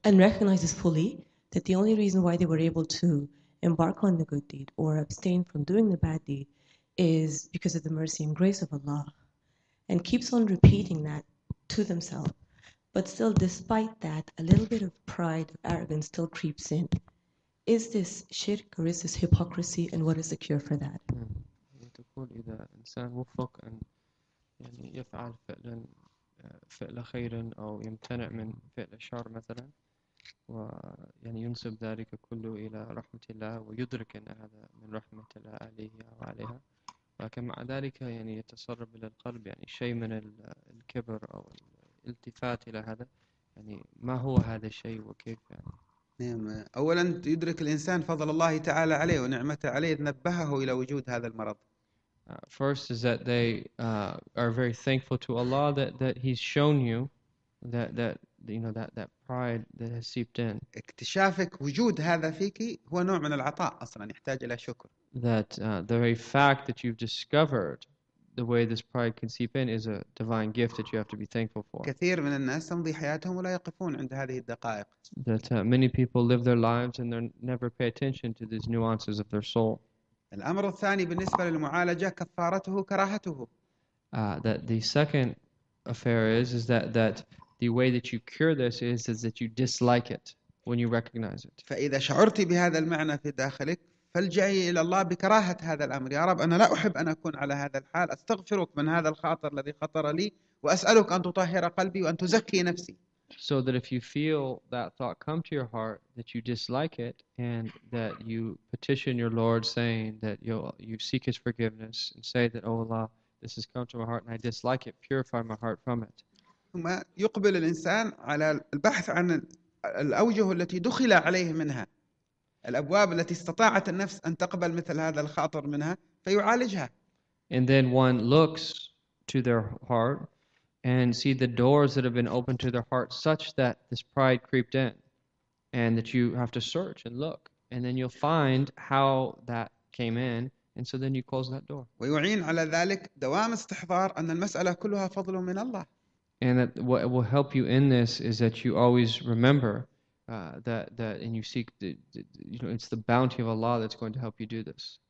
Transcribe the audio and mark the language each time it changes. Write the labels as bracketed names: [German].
[English] and recognizes fully that the only reason why they were able to embark on the good deed or abstain from doing the bad deed is because of the mercy and grace of Allah and keeps on repeating that to themselves but still despite that a little bit of pride of arrogance still creeps in. Is this shirk or is this hypocrisy and what is the cure for that? [Arabic] تقول إذا إنسان وفق أن يعني يفعل فعلا فعل خير أو يمتنع من فعل شر مثلا ويعني ينسب ذلك كله إلى رحمة الله ويدرك أن هذا من رحمة الله عليه أو عليها لكن مع ذلك يعني يتسرب إلى القلب يعني شيء من الكبر أو الالتفات إلى هذا يعني ما هو هذا الشيء وكيف يعني أولا يدرك الإنسان فضل الله تعالى عليه ونعمته عليه نبهه إلى وجود هذا المرض. [English] First is that they are very thankful to Allah that He's shown you that pride that has seeped in. [Arabic] اكتشافك وجود هذا فيك هو نوع من العطاء أصلا يحتاج إلى شكر. [English] That the very fact that you've discovered the way this pride can seep in is a divine gift that you have to be thankful for. [Arabic] كثير من الناس تمضي حياتهم ولا يقفون عند هذه الدقائق. [English] That many people live their lives and they never pay attention to these nuances of their soul. [Arabic] الأمر الثاني بالنسبة للمعالجة كفارته كراهته. [English] That the second affair is that the way that you cure this is that you dislike it when you recognize it. [Arabic] فإذا شعرت بهذا المعنى في داخلك فالجئي إلى الله بكراهة هذا الأمر يا رب أنا لا أحب أن أكون على هذا الحال أستغفرك من هذا الخاطر الذي خطر لي وأسألك أن تطهر قلبي وأن تزكي نفسي. [English] So that if you feel that thought come to your heart that you dislike it and that you petition your Lord saying that you seek His forgiveness and say that oh Allah this has come to my heart and I dislike it purify my heart from it. [Arabic] ثم يقبل الإنسان على البحث عن الأوجه التي دخل عليه منها، الأبواب التي استطاعت النفس أن تقبل مثل هذا الخاطر منها فيعالجها. [English] And then one looks to their heart and see the doors that have been opened to their heart such that this pride creeped in, and that you have to search and look, and then you'll find how that came in, and so then you close that door. [Arabic] ويعين على ذلك دوام استحضار أن المسألة كلها فضل من الله. [English] And that what will help you in this is that you always remember that and you seek you know, it's the bounty of Allah that's going to help you do this.